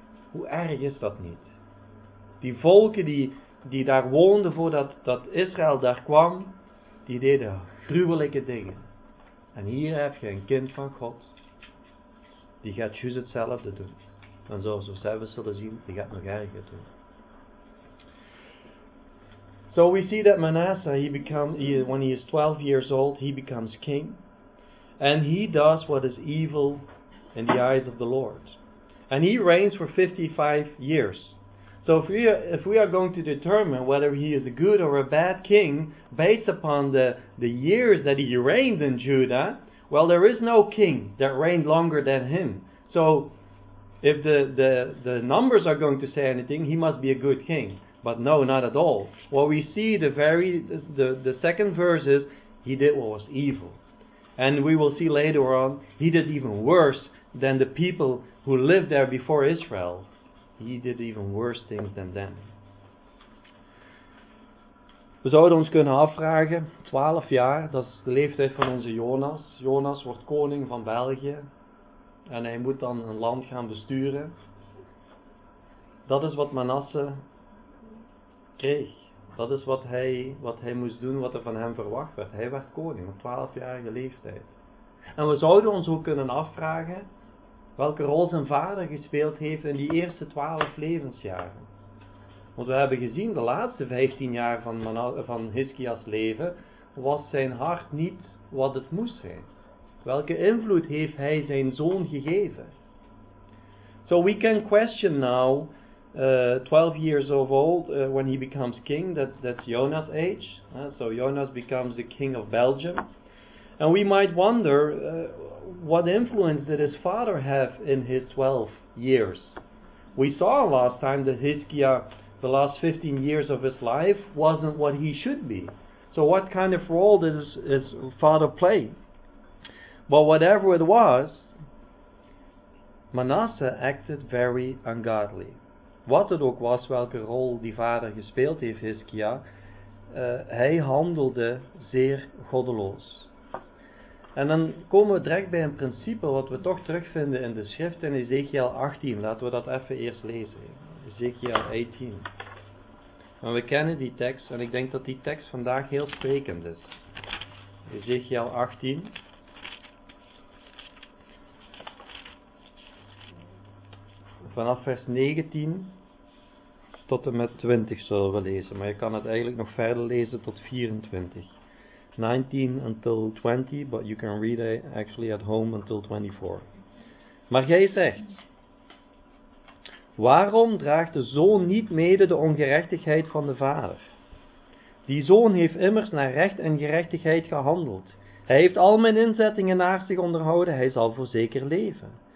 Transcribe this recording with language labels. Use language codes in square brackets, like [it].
[nl] Hoe erg is dat niet? Die volken die daar woonden voordat Israël daar kwam, die deden gruwelijke dingen. En hier heb je een kind van God, die gaat juist hetzelfde doen. En zoals we zelf zullen zien, die gaat nog erger doen. [en] So we see that Manasseh, when he is 12 years old, he becomes king. And he does what is evil in the eyes of the Lord. And he reigns for 55 years. So if we are going to determine whether he is a good or a bad king based upon the years that he reigned in Judah, well, there is no king that reigned longer than him. So if the numbers are going to say anything, he must be a good king. But no, not at all. What we see the second verse is he did what was evil. And we will see later on, he did even worse than the people who lived there before Israel. He did even worse things than them. [nl] We zouden ons kunnen afvragen, 12 jaar, dat is de leeftijd van onze Jonas. Jonas wordt koning van België en hij moet dan een land gaan besturen. Dat is wat Manasseh kreeg. Dat is wat hij moest doen, wat er van hem verwacht werd. Hij werd koning op 12-jarige leeftijd. En we zouden ons ook kunnen afvragen welke rol zijn vader gespeeld heeft in die eerste 12 levensjaren. Want we hebben gezien, de laatste 15 jaar van Hiskia's leven, was zijn hart niet wat het moest zijn. Welke invloed heeft hij zijn zoon gegeven? [en] So we can question now, 12 years of old, when he becomes king, that's Jonas' age. So Jonas becomes the king of Belgium. And we might wonder, what influence did his father have in his 12 years? We saw last time that Hiskia, the last 15 years of his life, wasn't what he should be. So what kind of role did his father play? But whatever it was, Manasseh acted very ungodly. [nl] Wat het ook was, welke rol die vader gespeeld heeft, Hiskia, hij handelde zeer goddeloos. En dan komen we direct bij een principe wat we toch terugvinden in de schrift in Ezekiel 18. Laten we dat even eerst lezen. Ezekiel 18. Maar we kennen die tekst en ik denk dat die tekst vandaag heel sprekend is. Ezekiel 18. Vanaf vers 19 tot en met 20 zullen we lezen. Maar je kan het eigenlijk nog verder lezen tot 24. [en] 19 until 20, but you can read it actually at home until 24. [nl] Maar jij zegt, waarom draagt de zoon niet mede de ongerechtigheid van de vader? Die zoon heeft immers naar recht en gerechtigheid gehandeld. Hij heeft al mijn inzettingen naar zich onderhouden, hij zal voorzeker leven.